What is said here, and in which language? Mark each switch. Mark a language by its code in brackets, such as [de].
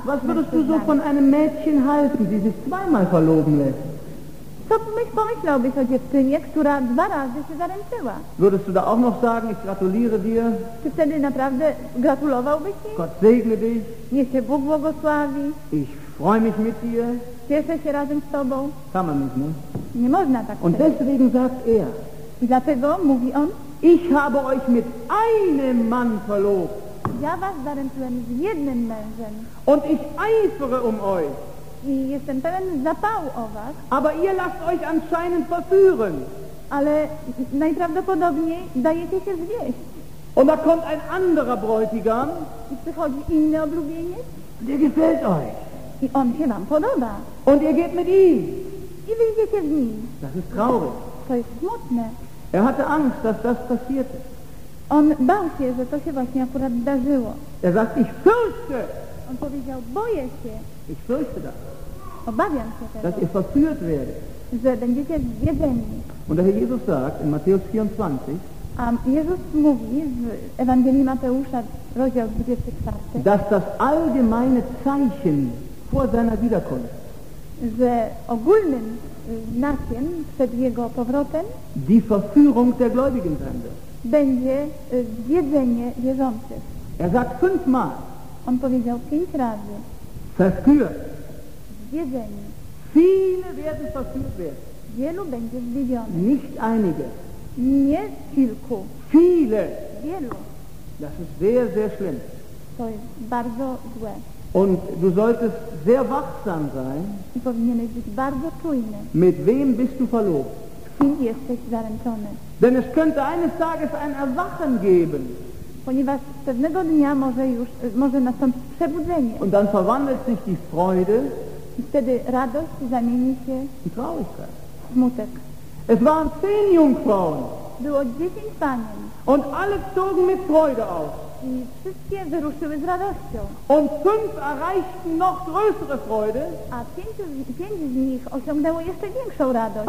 [de] Was würdest du so von einem Mädchen halten, die sich zweimal verloben lässt? [pl] Co pomyślałbyś o dziewczynie, która dwa razy się zaręczyła? [de] Würdest du da auch noch sagen, ich gratuliere dir? [pl] Czy wtedy naprawdę gratulowałbyś jej? [de] Gott segne dich. [pl] Niech się Bóg błogosławi. [de] Ich freue mich mit dir. [pl] Cieszę się razem z tobą. [de] Kann man nicht, ne? [pl] Nie można tak. [de] Und deswegen sagt er. [pl] I dlatego mówi on. [de] Ich habe euch mit einem Mann verlobt. [pl] Ja was zaręczyłem z jednym mężem. [de] Und ich eifere euch. [pl] I jestem pewien zapału o was. [de] Aber ihr lasst euch anscheinend verführen. [pl] Ale najprawdopodobniej dajecie się zwieść. [de] Und da kommt ein anderer Bräutigam. [pl] I przychodzi inny oblubieniec. [de] Der gefällt euch. [pl] I on się wam podoba. [de] Und ihr geht mit ihm. [pl] I wyjdziecie z nim. [de] Das ist traurig. [pl] To jest smutne. [de] Er hatte Angst, dass das passierte. [pl] On bał się, że to się właśnie akurat zdarzyło. [de] Er sagt, ich fürchte. [pl] On powiedział, boję się. [de] Ich fürchte das. [pl] Obawiam się tego. [de] Dass ihr verführt werdet. [pl] Że będziecie zwiedzeni. [de] Und der Herr Jesus sagt in Matthäus 24. [pl] A Jezus mówi w Ewangelii Mateusza, rozdział 24. [de] Dass das allgemeine Zeichen vor seiner Wiederkunft. [pl] Że ogólnym znakiem przed jego powrotem. [de] Die Verführung der Gläubigen sein wird. [pl] Będzie zwiedzenie wierzących. [de] Er sagt fünfmal. [pl] On powiedział pięć razy. [de] Verführt. [pl] Zwiedzenie. [de] Viele werden verführt werden. [pl] Wielu będzie zwiedzionych. [de] Nicht einige. [pl] Nie kilku. [de] Viele. [pl] Wielu. [de] Das ist sehr, sehr schlimm. [pl] To jest bardzo złe. [de] Und du solltest sehr wachsam sein. [pl] I powinieneś być bardzo czujny. [de] Mit wem bist du verlobt? [pl] Kim jesteś zaręczony? [de] Denn es könnte eines Tages ein Erwachen geben. [pl] Ponieważ pewnego dnia może nastąpić przebudzenie. [de] Und dann verwandelt sich die Freude. [pl] I wtedy radość zamieni się [de] in Traurigkeit. [pl] Smutek. [de] Es waren 10 Jungfrauen. [pl] Było 10 panien. [de] Und alle zogen mit Freude aus. [pl] I wszystkie wyruszyły z radością. [de] Und 5 erreichten noch größere Freude. [pl] A 5 z nich osiągnęło jeszcze większą radość.